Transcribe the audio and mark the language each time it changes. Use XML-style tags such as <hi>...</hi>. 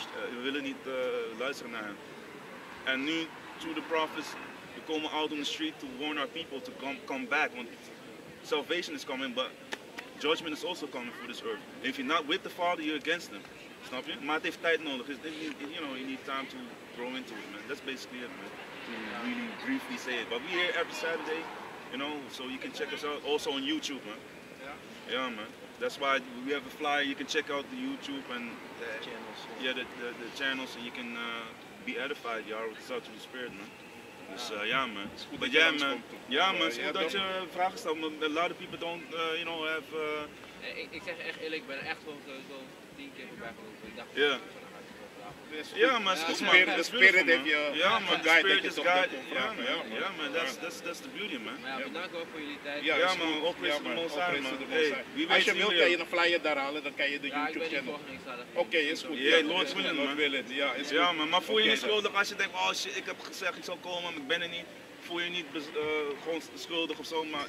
<nl>We willen niet luisteren naar hem. En nu,</nl> <en>through the prophets,</en> <nl>we komen</nl> <en>out on the street to warn our people to come back. Want salvation is coming, but judgment is also coming for this earth. And if you're not with the Father, you're against him.</en> <nl>Snap je? Maar het heeft tijd nodig.</nl> <en>You need time to grow into it, man. That's basically it, man. To really briefly say it. But we're here every Saturday, you know, so you can check us out. Also on YouTube, man. Yeah. Yeah, man. That's why we have a flyer. You can check out the YouTube and the channels. Yeah, yeah the channels, and you can be edified. You are with the touch of the Spirit, man.</en> <nl>Dus man.</nl> <en>But yeah, man. Yeah, man. It's good that you</en> <nl>vraag stelt,</nl> <en>man. A lot of people don't, have.</en> <nl>Ik zeg echt eerlijk, ik ben echt wel zo 10 keer voorbij gelopen.</nl> <en>Yeah, man, it's good, man. The spirit of your guide that you talk about. Yeah, man, that's the beauty, man.</en> <nl>Bedankt ook voor jullie tijd.</nl> <en>Yeah, man,</en> <nl>ook voor de</nl> <en>Mozart, man.</en> <nl>Als je wilt, kan je een flyer daar halen, dan kan je de YouTube channel. Oké, is goed.</nl> <en>Yeah, Lord's willing, man.</en> <nl>Ja, man, maar voel je niet schuldig als je denkt, oh shit, ik heb gezegd, ik zal komen, ik ben er niet. Voel je niet gewoon schuldig of zo, maar...</nl>